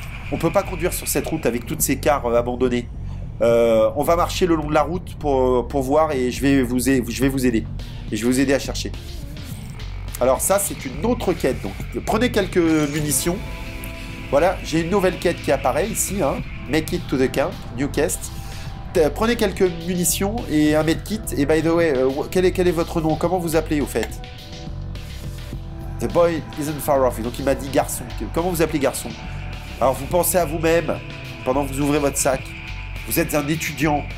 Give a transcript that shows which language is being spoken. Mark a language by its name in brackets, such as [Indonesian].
[French] On peut pas conduire sur cette route avec toutes ces cars abandonnées. On va marcher le long de la route pour voir et je vais vous aider. Et je vais vous aider à chercher. Alors ça, c'est une autre quête. Donc prenez quelques munitions. Voilà, j'ai une nouvelle quête qui apparaît ici. Hein. [English] Make it to the camp, new quest. [French] Prenez quelques munitions et un medkit. Et [English] by the way, [French] quel est votre nom? Comment vous appelez au fait? [English] The boy isn't far off. [French] Donc il m'a dit garçon. Comment vous appelez garçon? Alors, vous pensez à vous-même pendant que vous ouvrez votre sac. Vous êtes un étudiant.